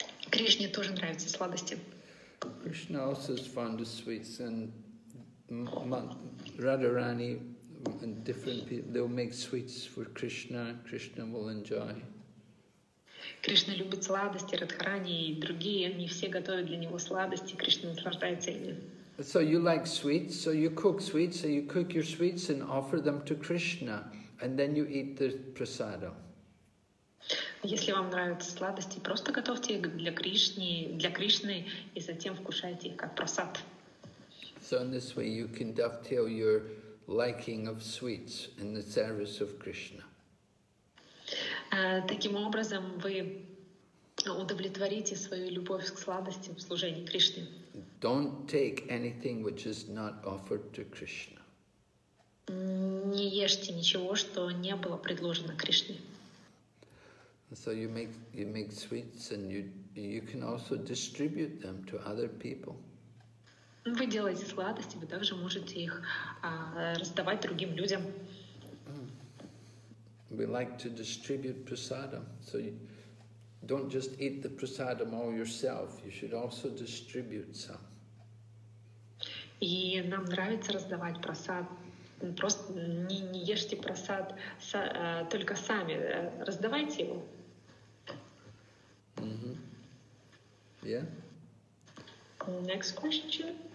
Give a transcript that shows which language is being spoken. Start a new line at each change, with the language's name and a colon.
Russian: Кришне тоже нравятся сладости.
English: Krishna also is fond of sweets, and Radharani and different people, they'll make sweets for Krishna. Krishna will enjoy.
Russian: Кришна любит сладости, Радхарани и другие, они все готовят для него сладости, Кришна наслаждается ими.
English: So you like sweets, so you cook sweets, so you cook your sweets and offer them to Krishna, and then you eat the prasada.
Russian: Если вам нравятся сладости, просто готовьте их для Кришны, и затем вкушайте их как прасад.
English: So in this way you can dovetail your liking of sweets in the service of Krishna.
Russian: Таким образом вы удовлетворите свою любовь к сладости в служении Кришне.
English: Don't take anything which is not offered to Krishna.
Russian: Не ешьте ничего, что не было предложено Кришне.
English: So you make sweets and you can also distribute them to other people.
Russian: Вы делаете сладости, вы также можете их раздавать другим людям.
English: We like to distribute prasadam, so you don't just eat the prasadam all yourself, you should also distribute some.
Russian: И нам нравится раздавать прасад. Просто не ешьте прасад только сами, раздавайте его.
English: Mm-hmm. Yeah. Next question.